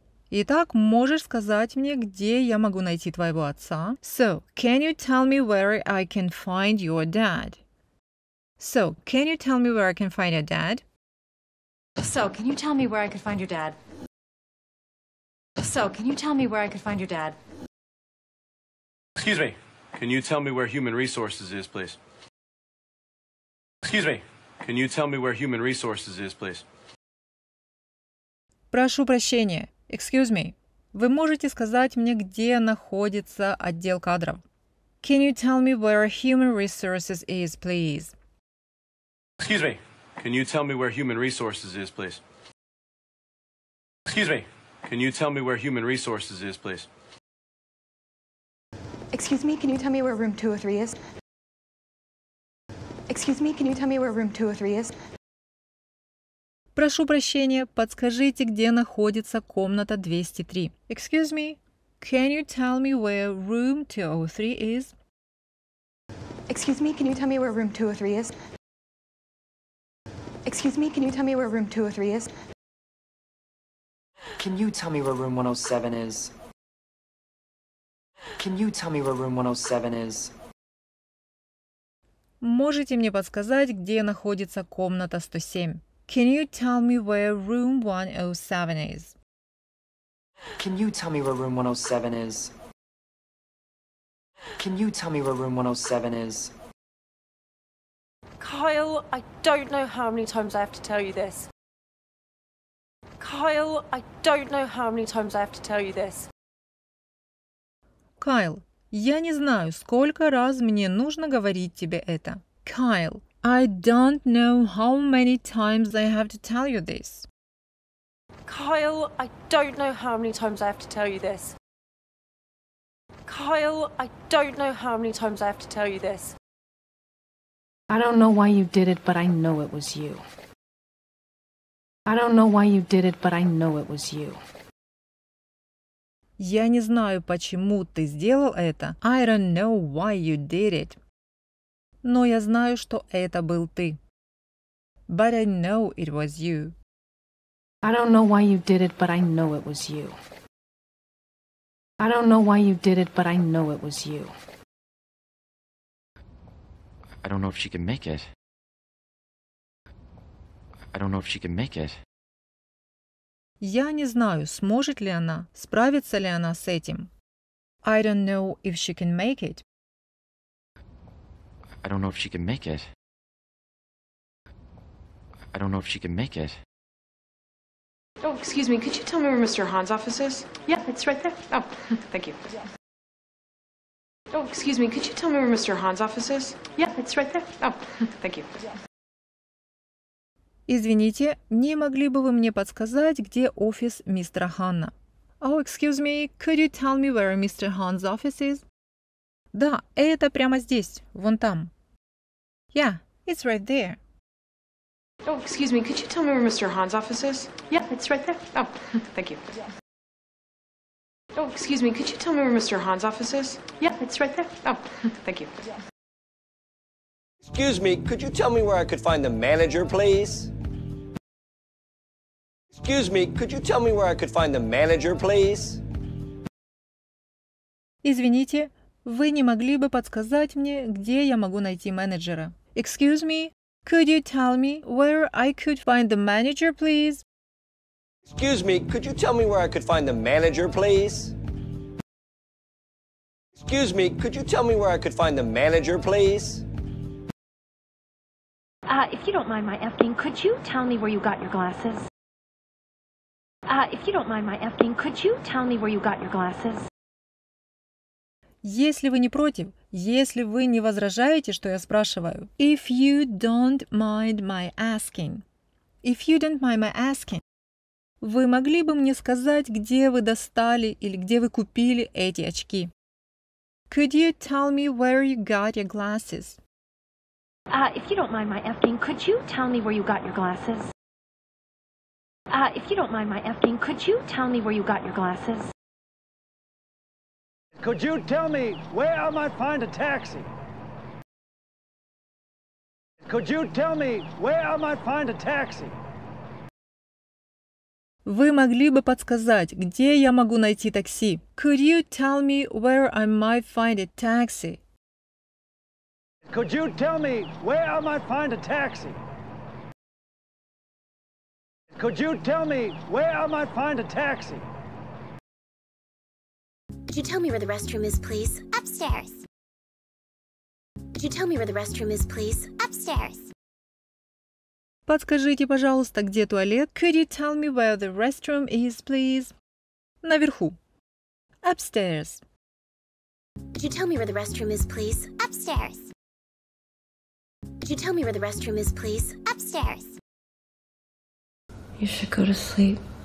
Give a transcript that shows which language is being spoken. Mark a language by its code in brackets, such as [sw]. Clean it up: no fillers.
[ru] Итак, можешь сказать мне, где я могу найти твоего отца? [en] So, can you tell me where I can find your dad? So, can you tell me where I can find your dad? So, can you tell me where I could find your dad? So, can you tell me where I could find your dad? Excuse me. Can you tell me where human resources is, please? Excuse me. Can you tell me where human resources is, please? [ru] Прошу прощения. [en] Excuse me. [ru] Вы можете сказать мне, где находится отдел кадров? [en] Can you tell me where human resources is, please? Excuse me. Can you tell me where human resources is, please? Excuse me. Can you tell me where human resources is, please? Excuse me, can you tell me where room 203 is? Excuse me, can you tell me where room 203 is? [ru] Прошу прощения, подскажите, где находится комната 203? [en] Excuse me, can you tell me where room 203 is? Excuse me, can you tell me where room 203 is? Excuse me, can you tell me where room 203 is? Can you tell me where room 107 is? Can you tell me where room 107 is? [ru] Можете мне подсказать, где находится комната 107? [en] Can you tell me where room 107 is? Can you tell me where room 107 is? Can you tell me where room 107 is? Kyle, I don't know how many times I have to tell you this. Kyle, I don't know how many times I have to tell you this. [ru] Кайл, я не знаю, сколько раз мне нужно говорить тебе это. [en] Кайл, I don't know how many times I have to tell you this. Кайл, I don't know how many times I have to tell you this. Кайл, I don't know how many times I have to tell you this. I don't know why you did it, but I know it was you. I don't know why you did it, but I know it was you. [ru] Я не знаю, почему ты сделал это. [en] I don't know why you did it. [ru] Но я знаю, что это был ты. [en] But I know it was you. I don't know why you did it, but I know it was you. I don't know why you did it, but I know it was you. I don't know if she can make it. I don't know if she can make it. [ru] Я не знаю, сможет ли она, справится ли она с этим. [en] I don't know if she can make it. I don't know if she can make it. I don't know if she can make it. Oh, excuse me, could you tell me where Mr. Han's office is? Yeah, it's right there. Oh, thank you. Oh, excuse me, could you tell me where Mr. Han's office is? Yeah, it's right there. Oh, thank you. [ru] Извините, не могли бы вы мне подсказать, где офис мистера Ханна? [en] Oh, excuse me, could you tell me where Mr. Han's office is? [ru] Да, это прямо здесь, вон там. [en] Yeah, it's right there. Oh, excuse me, could you tell me where Mr. Han's office is? Yeah, it's right there. Oh, thank you. Oh, excuse me, could you tell me where Mr. Han's office is? Yeah, it's right there. Oh, thank you. Excuse me, could you tell me where I could find the manager, please? Excuse me, could you tell me where I could find the manager, please? [ru] Извините, вы не могли бы подсказать мне, где я могу найти менеджера? [en] Excuse me, could you tell me where I could find the manager, please? Excuse me, could you tell me where I could find the manager, please? Excuse me, could you tell me where I could find the manager, please? If you don't mind my asking, could you tell me where you got your glasses? If you don't mind my asking, could you tell me where you got your glasses? [ru] Если вы не против, если вы не возражаете, что я спрашиваю. [en] If you don't mind my asking. If you don't mind my asking. [ru] Вы могли бы мне сказать, где вы достали или где вы купили эти очки? [en] Could you tell me where you got your glasses? If you don't mind my asking, could you tell me where you got your glasses? If you don't mind my asking, could you tell me where you got your glasses? Could you tell me where I might find a taxi? Could you tell me where I might find a taxi? [ru] Вы могли бы подсказать, где я могу найти такси? [en] Could you tell me where I might find a taxi? Could you tell me where I might find a taxi? Could you tell me where I might find a taxi? Could you tell me where the restroom is, please? Upstairs. Could you tell me where the restroom is, please? Upstairs. [ru] Подскажите, пожалуйста, где туалет? [en] Could you tell me where the restroom is, please? [ru] Наверху. [en] Upstairs. Could you tell me where the restroom is, please? Upstairs. Could you tell me where the restroom is, please? Upstairs. You should go to sleep.